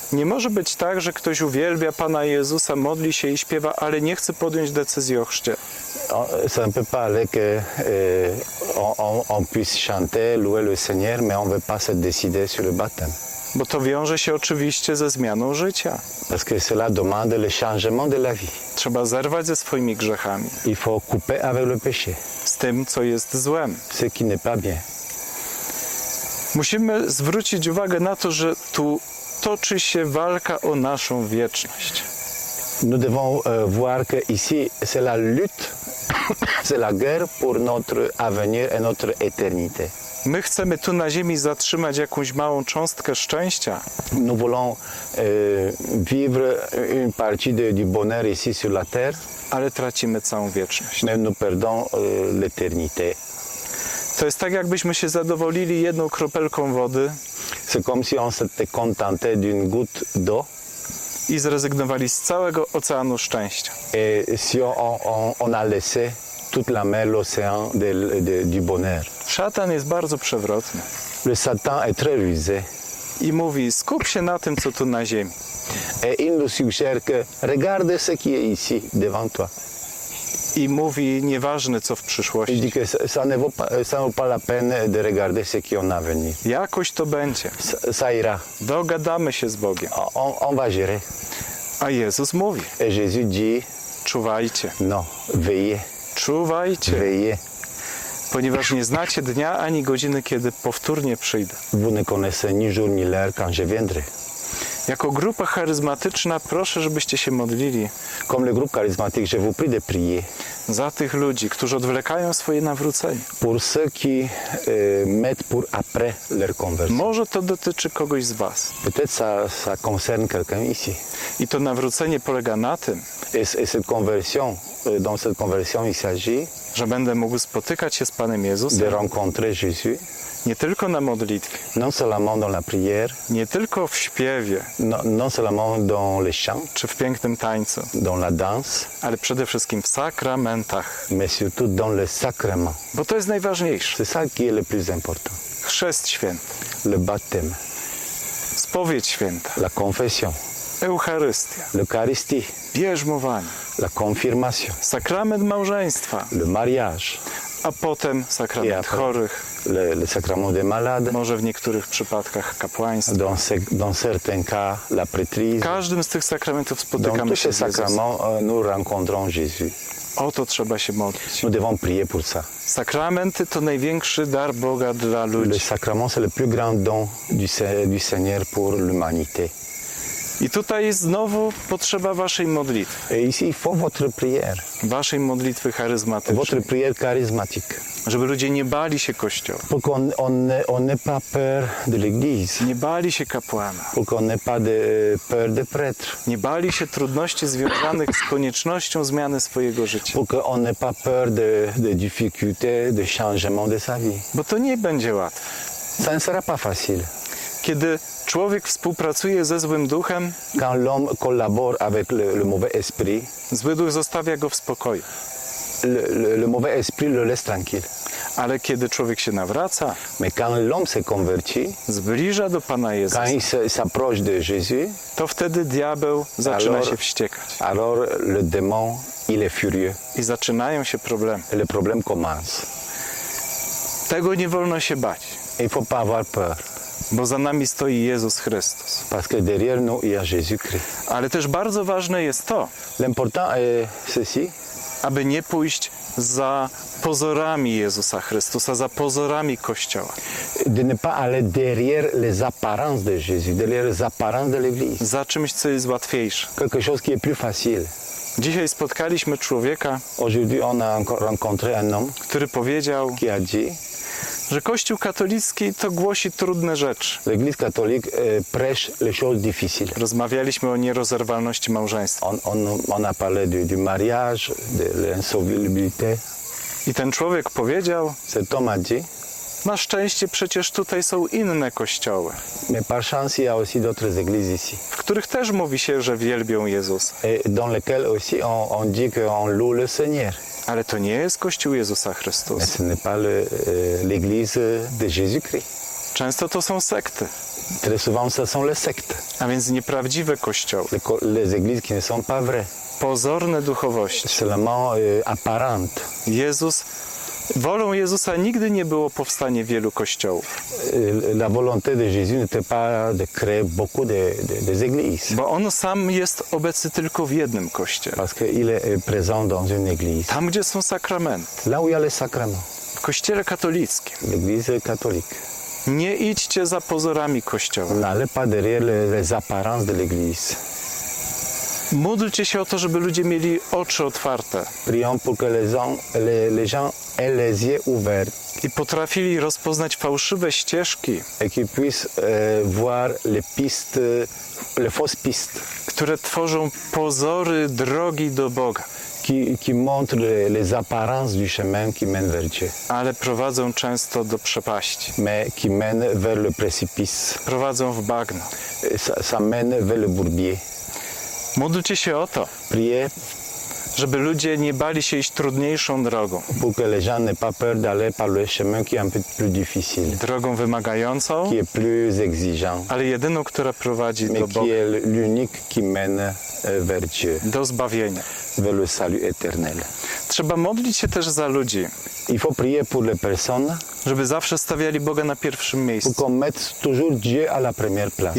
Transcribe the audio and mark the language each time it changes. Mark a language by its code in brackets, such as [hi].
[pl] Nie może być tak, że ktoś uwielbia Pana Jezusa, modli się i śpiewa, ale nie chce podjąć decyzji o chrzcie. [fr] ça ne peut pas aller qu'on puisse chanter, louer le Seigneur, mais on ne veut pas se décider sur le baptême. [pl] Bo to wiąże się oczywiście ze zmianą życia. [fr] Parce que cela demande le changement de la vie. [pl] Trzeba zerwać ze swoimi grzechami. [fr] Il faut couper avec le péché. [pl] Z tym, co jest złem. [fr] Ce qui n'est pas bien. [pl] Musimy zwrócić uwagę na to, że tu toczy się walka o naszą wieczność. [fr] Nous devons voir que ici c'est la lutte, c'est la guerre pour notre avenir et notre éternité. [pl] My chcemy tu na ziemi zatrzymać jakąś małą cząstkę szczęścia. [fr] Nous voulons vivre une partie du bonheur ici sur la terre. [pl] Ale tracimy całą wieczność. [fr] Mais nous perdons l'éternité. [pl] To jest tak, jakbyśmy się zadowolili jedną kropelką wody. [fr] C'est comme si on s'était contenté d'une goutte d'eau. [pl] I zrezygnowali z całego oceanu szczęścia. [fr] Et si on a laissé toute la mer, l'océan du bonheur. [pl] Szatan jest bardzo przewrotny. [fr] Le Satan est très rusé. [pl] I mówi, skup się na tym, co tu na ziemi. [fr] Et il nous suggère que regarde ce qui est ici devant toi. [pl] I mówi, nieważne, co w przyszłości. [fr] Il dit que ça ne vaut pas la peine de regarder ce qui est en avenir. [pl] Jakoś to będzie. [fr] Ça ira. [pl] Dogadamy się z Bogiem. [fr] On va gérer. [pl] A Jezus mówi. [fr] Et Jésus dit. [pl] Czuwajcie. [fr] No, veillez. [pl] Czuwajcie. [fr] Veillez. [pl] Ponieważ nie znacie dnia ani godziny, kiedy powtórnie przyjdę. [fr] Vous ne connaissez ni jour ni l'heure quand je viendrai. [pl] Jako grupa charyzmatyczna proszę, żebyście się modlili. [fr] Comme le groupe charismatique, je vous prie de prier. [pl] Za tych ludzi, którzy odwlekają swoje nawrócenie. [fr] Pour ceux qui mettent pour après leur conversion. [pl] Może to dotyczy kogoś z was. [fr] Peut-être ça concerne quelqu'un ici. [pl] I to nawrócenie polega na tym. [fr] Et cette conversion, dans cette conversion il s'agit. [pl] Że będę mógł spotykać się z Panem Jezusem. [fr] De rencontrer Jésus. [pl] Nie tylko na modlitwie. [fr] Non seulement dans la prière. [pl] Nie tylko w śpiewie. [fr] Non seulement dans le chant. [pl] Czy w pięknym tańcu. [fr] Dans la danse. [pl] Ale przede wszystkim w sakramentach. [fr] Mais surtout dans le sacrement. [pl] Bo to jest najważniejsze. [fr] C'est ça qui est le plus important. [pl] Chrzest święty. [fr] Le baptême. [pl] Spowiedź święta. [fr] La confession. [pl] Eucharystia. [fr] L'Eucharistie. [pl] Bierzmowanie. [fr] La confirmation. [pl] Sakrament małżeństwa. [fr] Le mariage. [pl] A potem sakrament [fr] après, [pl] chorych. [fr] Le sacrament des malades. [pl] Może w niektórych przypadkach kapłaństwo. [fr] Dans certains cas, la prêtrise. [pl] W każdym z tych sakramentów spotykamy się z Jezusem. [fr] Dans tous ces sacrements, nous rencontrons Jésus. [pl] O to trzeba się modlić. [fr] Nous devons prier pour ça. [pl] Sakramenty to największy dar Boga dla ludzi. [fr] Le sacrament, c'est le plus grand don du Seigneur pour l'humanité. [pl] I tutaj znowu potrzeba waszej modlitwy. [fr] Et ici, il faut votre prière. [pl] Waszej modlitwy charyzmatycznej. [fr] Votre prière charismatique. [pl] Żeby ludzie nie bali się Kościoła. [fr] Pour qu'on n'ait pas peur de l'église. [pl] Nie bali się kapłana. [fr] Pour qu'on n'ait pas peur de prêtre. [pl] Nie bali się trudności związanych z koniecznością zmiany swojego życia. [fr] Pour qu'on n'ait pas peur de difficultés, de changement de sa vie. [pl] Bo to nie będzie łatwe. [fr] Ça ne sera pas facile. [pl] Kiedy człowiek współpracuje ze złym duchem, [fr] quand l'homme collabore avec le mauvais esprit, [pl] zły duch zostawia go w spokoju. [fr] Le mauvais esprit le laisse tranquille. [pl] Ale kiedy człowiek się nawraca, [fr] mais quand l'homme se convertit, [pl] zbliża do Pana Jezusa, [fr] quand il s'approche de Jésus, [pl] to wtedy diabeł zaczyna się wściekać. [fr] Alors le démon, il est furieux. [pl] I zaczynają się problemy. [fr] Le problème commence. [pl] Tego nie wolno się bać. [fr] Il faut pas avoir peur. [pl] Bo za nami stoi Jezus Chrystus. [fr] Parce que derrière nous il y a Jésus-Christ. [pl] Ale też bardzo ważne jest to, [fr] l'important est ceci, [pl] aby nie pójść za pozorami Jezusa Chrystusa, za pozorami Kościoła. [fr] De ne pas aller derrière les apparences de Jésus, derrière les apparences de l'Église. [pl] Za czymś, co jest łatwiejsze. [fr] Quelque chose qui est plus facile. [pl] Dzisiaj spotkaliśmy człowieka, [fr] aujourd'hui on a rencontré un homme, [pl] który powiedział, [fr] qui a dit, [pl] że Kościół katolicki to głosi trudne rzeczy. [fr] L'Église catholique prêche les choses difficiles. [pl] Rozmawialiśmy o nierozerwalności małżeństwa. [fr] On a parlé du mariage, de l'insolvabilité. [pl] I ten człowiek powiedział, [fr] cet homme a dit, [pl] na szczęście przecież tutaj są inne kościoły. [fr] Mais par chance, il y a aussi d'autres églises ici. [pl] W których też mówi się, że wielbią Jezusa. [fr] Et dans lesquelles aussi on dit qu'on loue le Seigneur. [pl] Ale to nie jest Kościół Jezusa Chrystusa. [fr] Ce n'est pas l'église de Jésus-Christ. [pl] Często to są sekty. [fr] Très souvent, ce sont les sectes. [pl] A więc nieprawdziwe kościoły. Tylko [fr] les églises qui ne sont pas vraies. [pl] Pozorne duchowości. [fr] Seulement apparent. [pl] Jezus, wolą Jezusa nigdy nie było powstanie wielu kościołów. [fr] La volonté de Jésus n'était pas de créer beaucoup des églises. [pl] Bo on sam jest obecny tylko w jednym kościele. [fr] Parce qu'il est présent dans une église. [pl] Tam, gdzie są sakramenty. [fr] Là où il y a les sacrements. [pl] W kościele katolickim. [fr] L'église catholique. [pl] Nie idźcie za pozorami kościoła. [fr] N'allez pas derrière les apparences de l'église. [pl] Módlcie się o to, żeby ludzie mieli oczy otwarte. [fr] Prions pour que les gens aient les yeux ouverts. [pl] I potrafili rozpoznać fałszywe ścieżki. [fr] Et qu'ils puissent voir les pistes, les fausses pistes. [pl] Które tworzą pozory drogi do Boga. [fr] Qui montrent les apparences du chemin qui mène vers Dieu. [pl] Ale prowadzą często do przepaści. [fr] Mais qui mène vers le précipice. [pl] Prowadzą w bagno. [fr] Ça mène vers le bourbier. [pl] Módlcie się o to, żeby ludzie nie bali się iść trudniejszą drogą. [fr] Pour que les gens n'aient pas peur d'aller par le chemin qui est un peu plus difficile. [pl] Drogą wymagającą, [fr] qui est plus exigeant. [pl] Ale jedyną, która prowadzi do Boga. [fr] Mais qui est l'unique qui mène vers Dieu. [pl] Do zbawienia. [fr] Vers le salut éternel. [pl] Trzeba modlić się też za ludzi. [fr] Il faut prier pour les personnes. [pl] Żeby zawsze stawiali Boga na pierwszym miejscu. [fr] Pour qu'on mette toujours Dieu à la première place.